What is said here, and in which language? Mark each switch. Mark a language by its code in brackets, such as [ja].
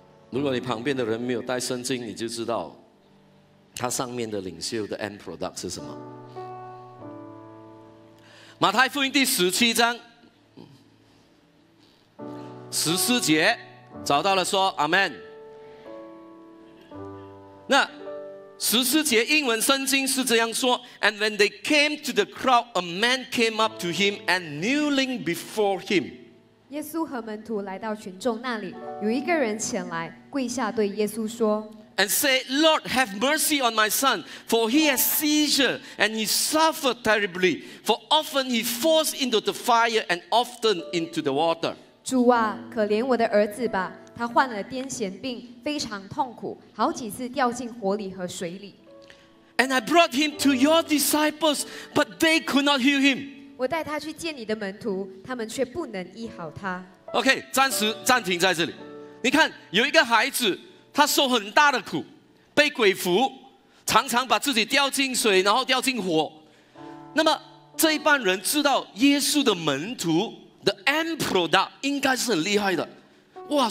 [zh] 如果你旁边的人没有带圣经，你就知道他上面的领袖的 end product 是什么。马太福音第十七章十四节，找到了说阿们。那十四节英文圣经是这样说， [en] And when they came to the crowd, a man came up to him and kneeling before him. [zh] 耶稣和门徒来到群众那里，有一个人前来跪下对耶稣说， [en] And say, Lord, have mercy on my son, for he has seizure and he suffered terribly, for often he falls into the fire and often into the water. [zh] 主啊，可怜我的儿子吧，他患了癫痫病，非常痛苦，好几次掉进火里和水里。 [en] And I brought him to your disciples, but they could not heal him. [zh] 我带他去见你的门徒，他们却不能医好他。 OK, 暂时暂停在这里。你看，有一个孩子，他受很大的苦，被鬼附，常常把自己掉进水，然后掉进火。那么这一班人知道耶稣的门徒The end product 应该是很厉害的，哇！